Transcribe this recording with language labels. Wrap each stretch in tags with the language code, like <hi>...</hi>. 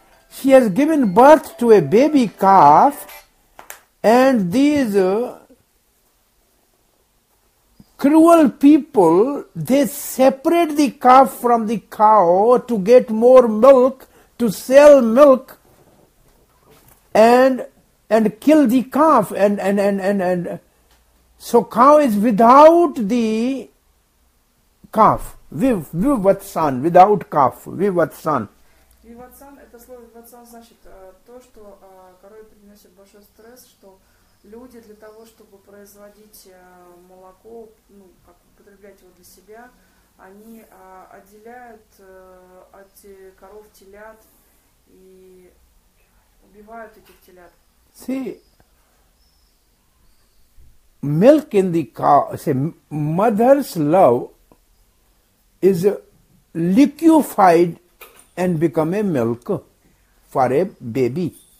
<en>She has given birth to a baby calf and these cruel people, they separate the calf from the cow to get more milk, to sell milk and kill the calf and so cow is without the calf. Vivatsan, without calf. Vivatsan.</en> <ru>Vivatsan, это слово vivatsan значит то, что корове приносит большой стресс, что люди для того, чтобы производить молоко, ну, как употреблять его для себя, они отделяют от коров телят и убивают этих телят.</ru> <en>See, milk in the cow, say, mother's love is liquefied and become a milk for a baby.</en>